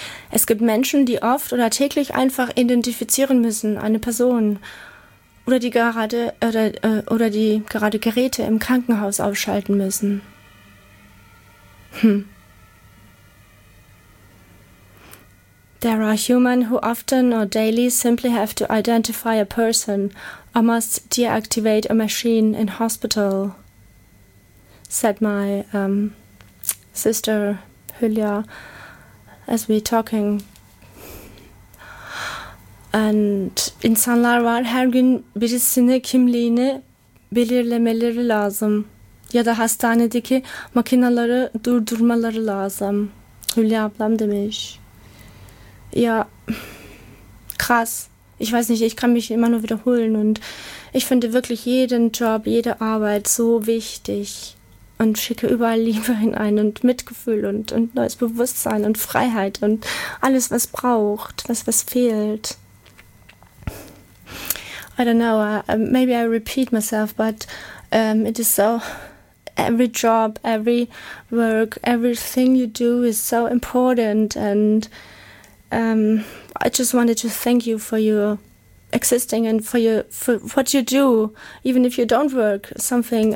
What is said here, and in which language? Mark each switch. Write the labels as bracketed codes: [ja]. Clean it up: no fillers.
[de] Es gibt Menschen, die oft oder täglich einfach identifizieren müssen, eine Person oder die gerade Geräte im Krankenhaus ausschalten müssen. [en] There are human who often or daily simply have to identify a person or must deactivate a machine in hospital, said my sister Hülya as we talking. [tr] And insanlar var, her gün birisini kimliğini belirlemeleri lazım ya da hastanedeki makinaları durdurmaları lazım, Hülya ablam demiş. [de] Ja, krass. Ich weiß nicht, ich kann mich immer nur wiederholen und ich finde wirklich jeden Job, jede Arbeit so wichtig und schicke überall Liebe hinein und Mitgefühl und neues Bewusstsein und Freiheit und alles, was braucht, was fehlt. [en] I don't know, maybe I repeat myself, but it is so, every job, every work, everything you do is so important and I just wanted to thank you for your existing and for what you do, even if you don't work something.